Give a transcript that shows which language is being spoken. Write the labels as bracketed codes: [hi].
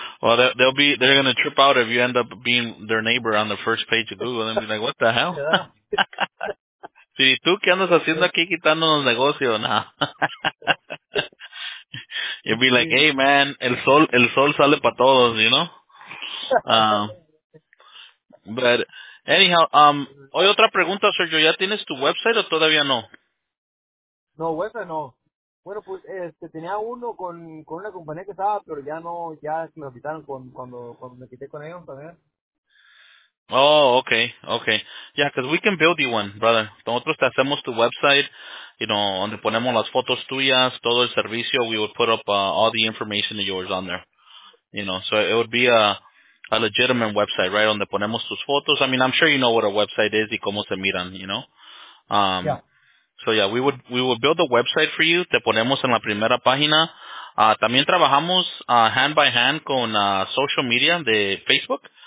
[en] Well, they're going to trip out if you end up being their neighbor on the first page of Google. They'll be like, what the hell? [es] Si, sí, ¿tú qué andas haciendo aquí quitando los negocios? [en] No. You'll be like, hey, man, el sol sale para todos, you know? [es] But anyhow, hoy otra pregunta, Sergio. ¿Ya tienes tu website o todavía no? No, website no. Bueno, pues tenía uno con una compañía que estaba, pero ya me lo quitaron cuando me quité con ellos también. [en] Oh, okay. [es] Yeah, because we can build you one, brother. Nosotros te hacemos tu website, you know, donde ponemos las fotos tuyas, todo el servicio. [en] We would put up all the information of yours on there. You know, so it would be a legitimate website, right? Donde ponemos tus fotos. I mean, I'm sure you know what a website is y cómo se miran, you know? So yeah, we would build a website for you. [es] Te ponemos en la primera página. También trabajamos hand by hand con social media de Facebook.